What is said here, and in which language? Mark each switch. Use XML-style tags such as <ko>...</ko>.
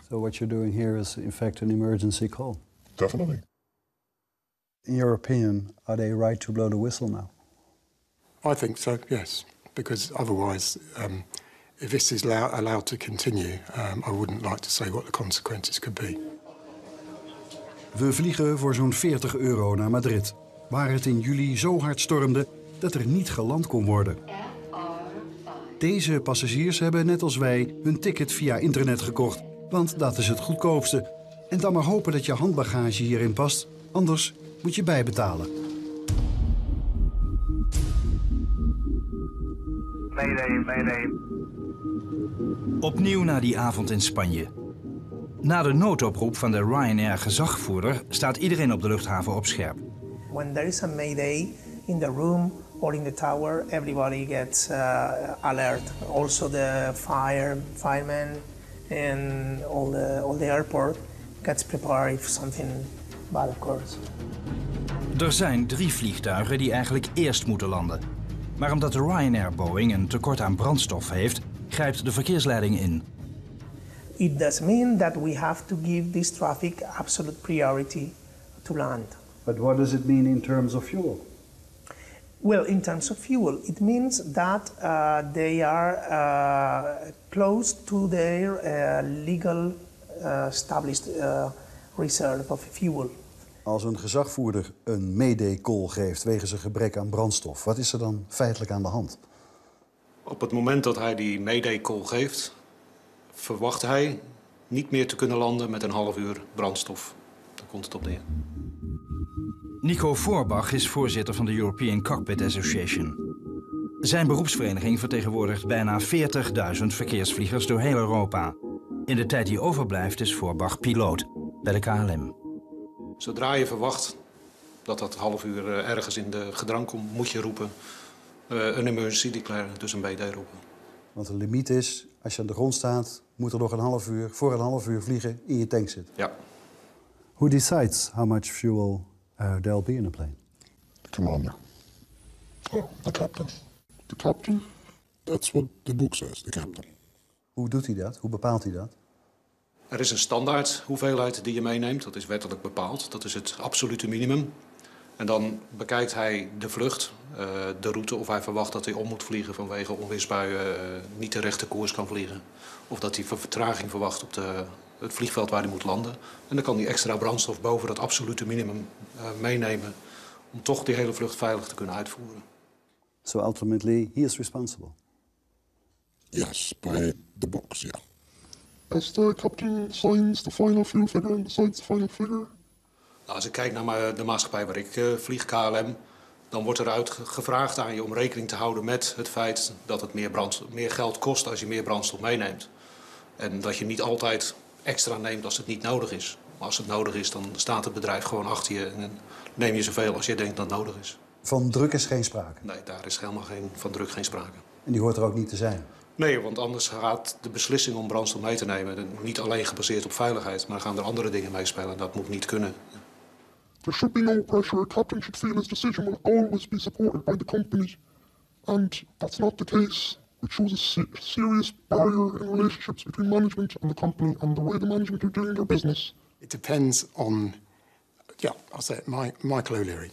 <en>So what you're doing here is, in fact, an emergency call? Definitely. In your opinion, are they right to blow the whistle now? I think so, yes. Because otherwise, if this is allowed to continue, I wouldn't like to say what the consequences could be.</en> <nl>We vliegen voor zo'n €40 naar Madrid, waar het in juli zo hard stormde dat er niet geland kon worden. Deze passagiers hebben, net als wij, hun ticket via internet gekocht, want dat is het goedkoopste. En dan maar hopen dat je handbagage hierin past, anders moet je bijbetalen.</nl> <en>Mayday, mayday.</en> <nl>Opnieuw na die avond in Spanje. Na de noodoproep van de Ryanair gezagvoerder staat iedereen op de luchthaven op scherp.</nl> <en>When there is a mayday in the room or in the tower, everybody gets alert. Also the firemen and all the airport gets prepared if something bad occurs.</en> <nl>Er zijn drie vliegtuigen die eigenlijk eerst moeten landen. Maar omdat de Ryanair Boeing een tekort aan brandstof heeft, grijpt de verkeersleiding in.</nl> <en>It does mean that we have to give this traffic absolute priority to land. But what does it mean in terms of fuel? Well, in terms of fuel, it means that they are close to their legal established reserve of fuel.</en> <nl>Als een gezagvoerder een mayday call geeft wegens een gebrek aan brandstof, wat is er dan feitelijk aan de hand? Op het moment dat hij die mayday call geeft, verwacht hij niet meer te kunnen landen met een half uur brandstof. Daar komt het op neer. Nico Voorbach is voorzitter van de European Cockpit Association. Zijn beroepsvereniging vertegenwoordigt bijna 40.000 verkeersvliegers door heel Europa. In de tijd die overblijft is Voorbach piloot bij de KLM. Zodra je verwacht dat dat half uur ergens in de gedrang komt, moet je roepen een</nl> <en>emergency declare,</en> <nl>dus een mayday roepen. Want de limiet is, als je aan de grond staat, moet er nog een half uur, voor een half uur vliegen, in je tank zitten. Ja.</nl> <en>Who decides how much fuel there'll be in a plane? The commander. Oh, the captain. The captain? That's what the book says, the captain.</en> <nl>Hoe doet hij dat? Hoe bepaalt hij dat? Er is een standaard hoeveelheid die je meeneemt. Dat is wettelijk bepaald. Dat is het absolute minimum. En dan bekijkt hij de vlucht, de route, of hij verwacht dat hij om moet vliegen vanwege onweersbuien, niet de rechte koers kan vliegen. Of dat hij vertraging verwacht op het vliegveld waar hij moet landen. En dan kan hij extra brandstof boven dat absolute minimum meenemen om toch die hele vlucht veilig te kunnen uitvoeren.</nl> <en>So ultimately, he is responsible? Yes, by the box, yeah. As the captain signs the final fuel figure and decides the final figure,</en> <nl>Nou, als ik kijk naar de maatschappij waar ik vlieg, KLM, dan wordt er gevraagd aan je om rekening te houden met het feit dat het meer geld kost als je meer brandstof meeneemt. En dat je niet altijd extra neemt als het niet nodig is. Maar als het nodig is, dan staat het bedrijf gewoon achter je en neem je zoveel als je denkt dat nodig is. Van druk is geen sprake? Nee, daar is helemaal geen sprake. En die hoort er ook niet te zijn? Nee, want anders gaat de beslissing om brandstof mee te nemen niet alleen gebaseerd op veiligheid, maar gaan er andere dingen meespelen. Dat moet niet kunnen.</nl> <en>There should be no pressure. A captain should feel his decision will always be supported by the company. And that's not the case. It shows a serious barrier in relationships between management and the company and the way the management are doing their business. It depends on, I'll say it, Michael O'Leary.</en>